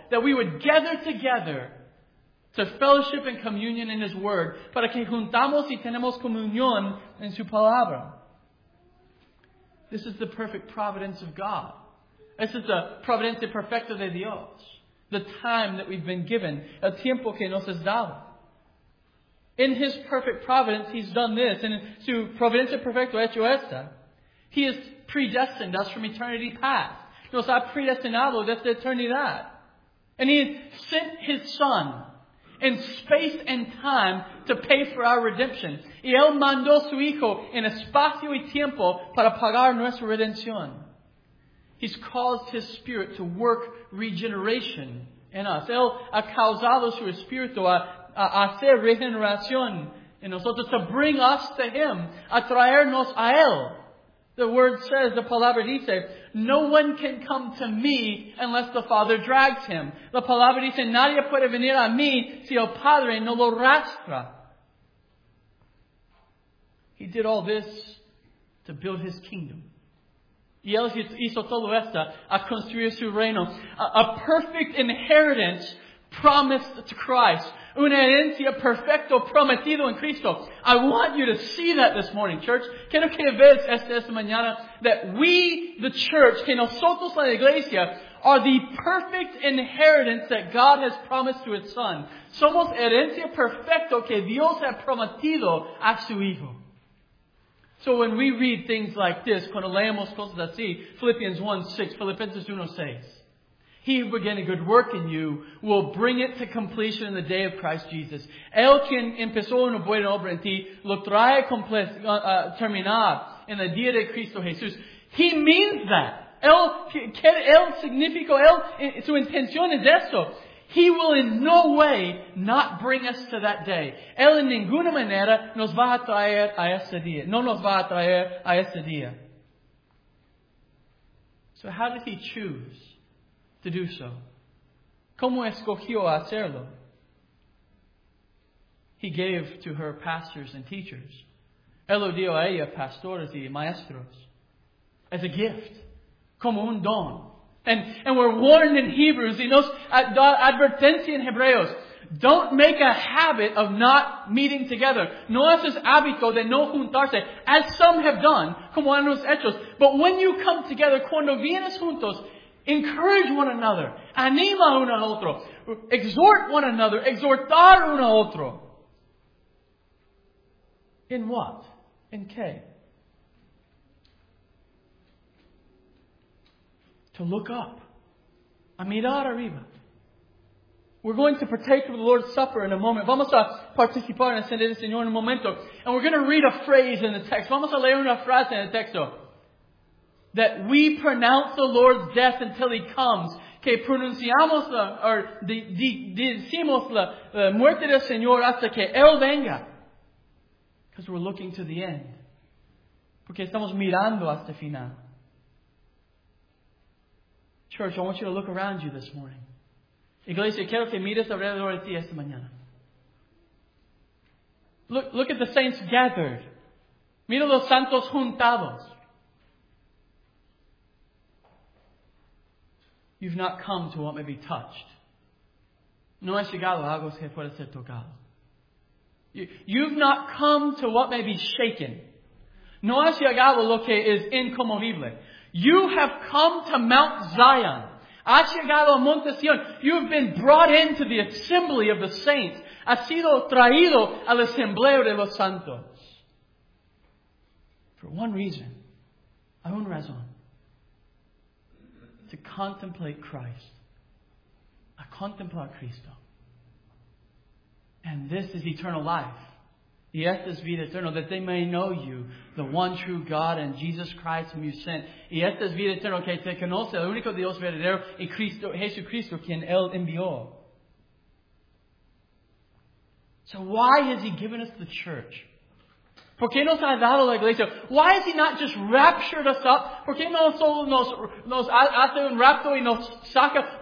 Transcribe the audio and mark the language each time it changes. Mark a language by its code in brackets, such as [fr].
[en] That we would gather together to fellowship and communion in His Word. [es] Para que juntamos y tenemos comunión en Su Palabra. [en] This is the perfect providence of God. This is the [es] providencia perfecta de Dios. [en] The time that we've been given. [es] El tiempo que nos has dado. [en] In His perfect providence, He's done this. And [es] su providencia perfecta ha hecho esta. [en] He has predestined us from eternity past. [es] Nos ha predestinado desde eternidad. [en] And He has sent His Son in space and time to pay for our redemption. [es] Y Él mandó su Hijo en espacio y tiempo para pagar nuestra redención. [en] He's caused His Spirit to work regeneration in us. [es] Él ha causado su Espíritu a hacer regeneración en nosotros, [en] to bring us to Him, [es] a traernos a Él. [en] The Word says, the [es] Palabra dice, [en] no one can come to me unless the Father drags him. [es] La Palabra dice, nadie puede venir a mí si el Padre no lo arrastra. [en] He did all this to build His kingdom. [es] Y Él hizo todo esto a construir su reino. [en] A perfect inheritance promised to Christ. [es] Una herencia perfecto prometido en Cristo. [en] I want you to see that this morning, church. [es] Quiero que veas esta mañana [en] that we, the church, [es] que nosotros la iglesia, [en] are the perfect inheritance that God has promised to His Son. [es] Somos herencia perfecto que Dios ha prometido a su Hijo. [en] So when we read things like this, [es] cuando leemos cosas así, [en] Filipenses 1:6, He who began a good work in you will bring it to completion in the day of Christ Jesus. [es] El quien empezó una buena obra en ti lo trae a terminar en el día de Cristo Jesús. [en] He means that. [es] El significó, el su intención es eso. [en] He will in no way not bring us to that day. [es] Él en ninguna manera nos va a traer a ese día. No nos va a traer a ese día. [en] So how did He choose to do so? [es] ¿Cómo escogió hacerlo? [en] He gave to her pastors and teachers. [es] Él lo dio a ella pastores y maestros. [en] As a gift. [es] Como un don. [en] And we're warned in Hebrews, [es] advertencia en Hebreos, [en] don't make a habit of not meeting together. [es] No haces hábito de no juntarse, [en] as some have done, [es] como han los hechos. [en] But when you come together, [es] cuando vienes juntos, [en] encourage one another, [es] anima uno al otro, [en] exhort one another, [es] exhortar uno al otro. [en] In what? In qué? To look up. [es] A mirar arriba. [en] We're going to partake of the Lord's Supper in a moment. [es] Vamos a participar en la cena del Señor en un momento. [en] And we're going to read a phrase in the text. [es] Vamos a leer una frase en el texto. [en] That we pronounce the Lord's death until He comes. [es] Que pronunciamos la, or decimos la muerte del Señor hasta que Él venga. [en] Because we're looking to the end. [es] Porque estamos mirando hasta el final. [en] Church, I want you to look around you this morning. [es] Iglesia, quiero que mires alrededor de ti esta mañana. [en] Look at the saints gathered. [es] Mira los santos juntados. [en] You've not come to what may be touched. [es] No has llegado a algo que pueda ser tocado. [en] You've not come to what may be shaken. [es] No has llegado lo que es inconmovible. [en] You have come to Mount Zion. [es] Has llegado a Monte Sion. [en] You have been brought into the assembly of the saints. [es] Has sido traído al asambleo de los santos. [en] For one reason. [es] A una razón. [en] To contemplate Christ. [es] A contemplar Cristo. [en] And this is eternal life. [es] Y esta es vida eterna, [en] that they may know you, the one true God and Jesus Christ whom you sent. [es] Y esta es vida eterna, que te conoce el único Dios verdadero y Cristo, Jesucristo, quien Él envió. [en] So why has He given us the church? [es] ¿Por qué nos ha dado la iglesia? [en] Why has He not just raptured us up? [es] ¿Por qué no solo nos hace un rapto y nos saca?